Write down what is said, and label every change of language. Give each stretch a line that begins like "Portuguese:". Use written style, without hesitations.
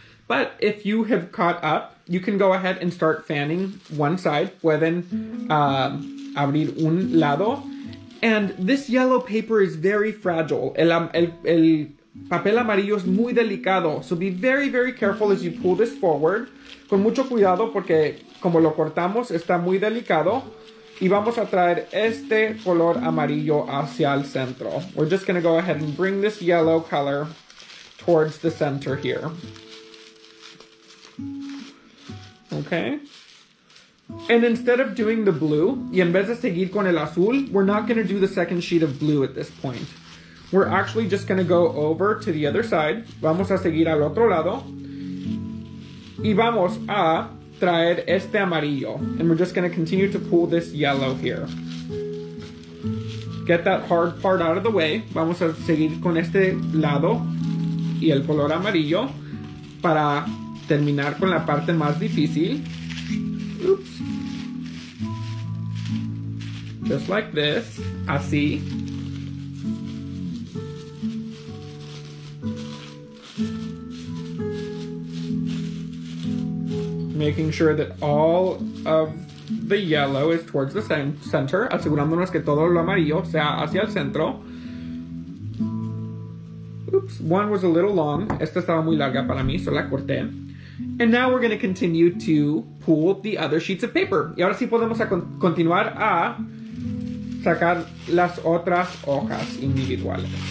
English: But if you have caught up, you can go ahead and start fanning one side.
Spanish: Pueden abrir un lado.
English: And this yellow paper is very fragile.
Spanish: El papel amarillo es muy delicado.
English: So be very, very careful as you pull this forward.
Spanish: Con mucho cuidado porque como lo cortamos, está muy delicado. Y vamos a traer este color amarillo hacia el centro.
English: We're just going to go ahead and bring this yellow color towards the center here. Okay. And instead of doing the blue,
Spanish: y en vez de seguir con el azul,
English: we're not going to do the second sheet of blue at this point. We're actually just going to go over to the other side.
Spanish: Vamos a seguir al otro lado. Y vamos a traer este amarillo.
English: And we're just going to continue to pull this yellow here. Get that hard part out of the way.
Spanish: Vamos a seguir con este lado y el color amarillo para terminar con la parte más difícil. Oops. Just like this. Así.
English: Making sure that all of the yellow is towards the center.
Spanish: Asegurándonos que todo lo amarillo sea hacia el centro. Oops.
English: One was a little long.
Spanish: Esta estaba muy larga para mí, so la corté.
English: And now we're going to continue to pull the other sheets of paper.
Spanish: Y ahora sí podemos continuar a sacar las otras hojas individuales.